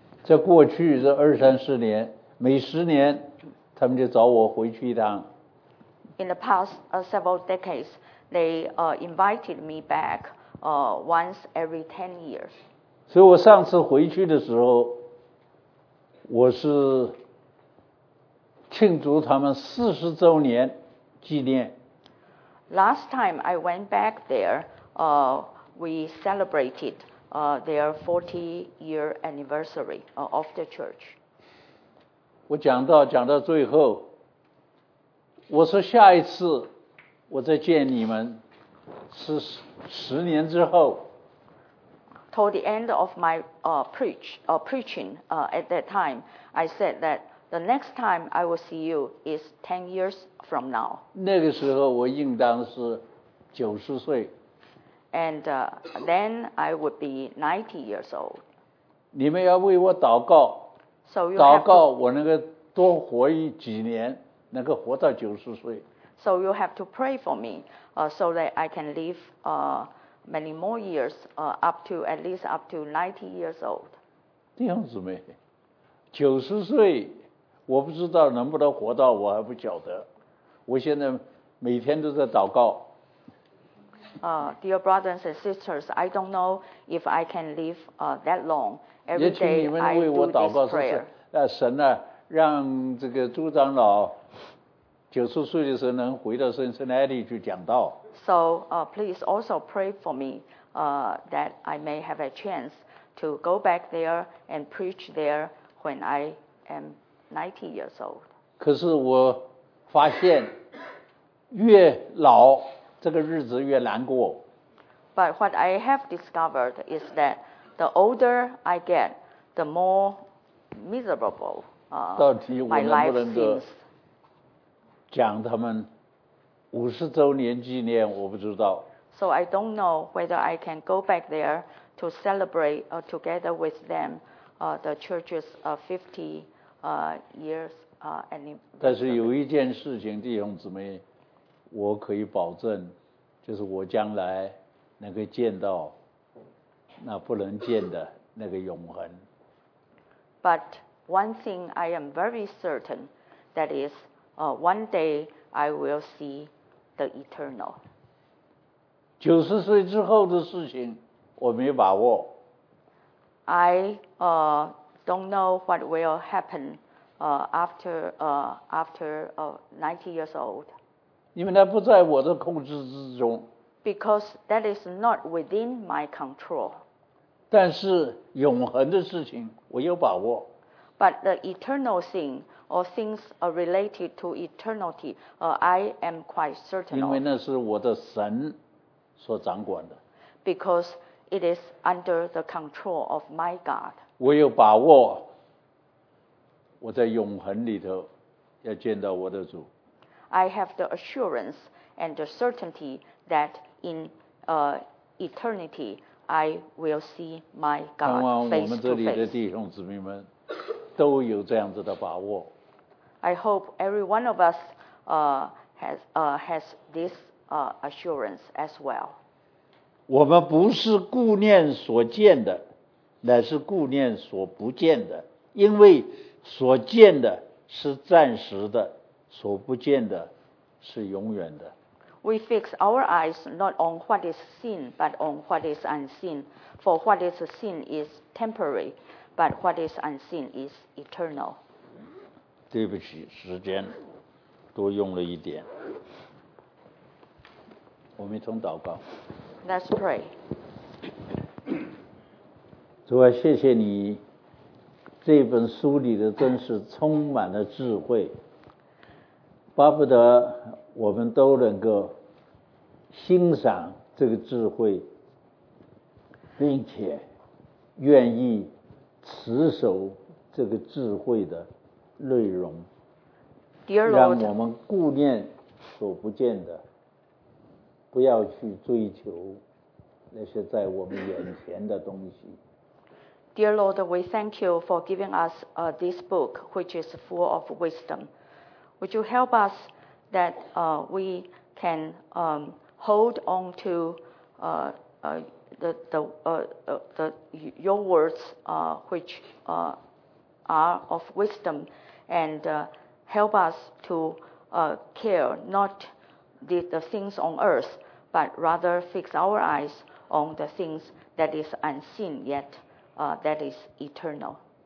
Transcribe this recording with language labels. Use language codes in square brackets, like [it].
[zh] 在过去这二三十年，每十年他们就找我回去一趟。 [en] In the past several decades, they invited me back once every 10 years. [zh] 所以我上次回去的时候，我是庆祝他们40周年。纪念。 [en] Last time I went back there, we celebrated their 40-year anniversary of the church. [zh] 我讲到最后，我说下一次我再见你们是10年之后。 [en] Toward the end of my preaching at that time, I said that. The next time I will see you is 10 years from now. [zh] 那个时候我应当是90岁。 [en] And then I would be 90 years old. [zh] 你们要为我祷告。 [en] So、you [zh] 祷告我能够多活几年，能够活到90岁。 [en] So you have to pray for me, so that I can live many more years, up to at least up to 90 years old. [zh] 弟兄姊妹，九十岁，我不知道能不能活到，我还不晓得。我现在每天都在祷告。 [en] Dear brothers and sisters, I don't know if I can live that long. Every day, [zh] 也请你们为我祷告，是不是？神啊，让这个朱长老九十岁的时候能回到 Cincinnati 去讲道。 [en] So, please also pray for me, that I may have a chance to go back there and preach there when I am 90 years old. [zh] 可是我发现越老这个日子越难过。 [en] But what I have discovered is that the older I get, the more miserable my life seems. [zh] 讲他们五十周年纪念，我不知道。 [en] So I don't know whether I can go back there to celebrate together with them the church's 50 years anniversary. [zh] 但是有一件事情，弟兄姊妹，我可以保证，就是我将来能够见到那不能见的那个永恒。 [en] But one thing I am very certain, that is, one day I will see the eternal. [zh] 九十岁之后的事情我没把握。 [en] I don't know what will happen after 90 years old. [zh] 因为那不在我的控制之中。 [en] Because that is not within my control. [zh] 但是永恒的事情我有把握。 [en] But the eternal thing, or things related to eternity, I am quite certain of. [zh] 因为那是我的神所掌管的。 [en] Because it is under the control of my God. [zh] 我有把握，我在永恒里头要见到我的主。 [en] I have the assurance and the certainty that in eternity I will see my God face to face. [zh] 盼望我们这里的弟兄姊妹们都有这样子的把握。 [en] I hope every one of us has this assurance as well. [zh] 我们不是顾念所见的，乃是顾念所不见的，因为所见的是暂时的，所不见的是永远的。 [en] We fix our eyes not on what is seen, but on what is unseen. For what is seen is temporary. But what is unseen is eternal. [zh] 对不起，时间多用了一点。我们从祷告。 [en] Let's pray. [zh] 主啊，谢谢你，这本书里的真是充满了智慧，巴不得我们都能够欣赏这个智慧，并且愿意持守这个智慧的内容。 [en] Dear Lord, [zh] 让我们顾念所不见的，不要去追求那些在我们眼前的东西。 [en] Dear Lord, we thank you for giving us this book, which is full of wisdom. Would you help us that we can hold on to the your words which are of wisdom, and help us to care not the things on earth, but rather fix our eyes on the things that is unseen yet that is eternal.